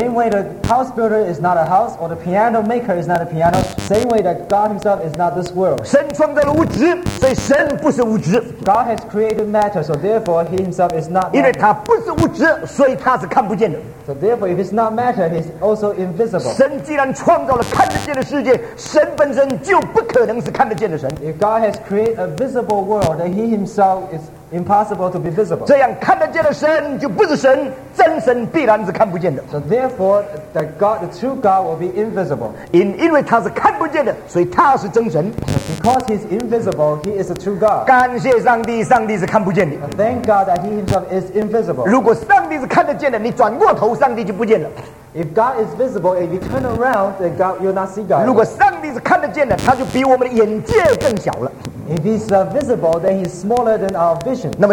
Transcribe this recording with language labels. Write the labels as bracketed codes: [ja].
[en] Same way the house builder is not a house, or the piano maker is not a piano. Same way that God Himself is not this world. [zh] 神创造了物质，所以神不是物质。 [en] God has created matter, so therefore He Himself is not matter. [zh] 因为他不是物质，所以他是看不见的。 [en] So therefore, if it's not matter, He's also invisible. [zh] 神既然创造了看得见的世界，神本身就不可能是看得见的神。 [en] If God has created a visible world, then He Himself is impossible to be visible. [zh] 这样看得见的神就不是神，真神必然是看不见的。 [en] So therefore, that God, the true God, will be invisible. [zh] 因为他是看不见的，所以他是真神。 [en] Because He's invisible, He is a true God. [zh] 感谢上帝，上帝是看不见的。 [en] Thank God that He Himself is invisible. [zh] 如果上帝是看得见的，你转过头，上帝就不见了。 [en] If God is visible, if you turn around, then God, you'll not see God. [zh] 如果上帝是看得见的，他就比我们的眼界更小了。 [en] If He's visible, then He's smaller than our vision.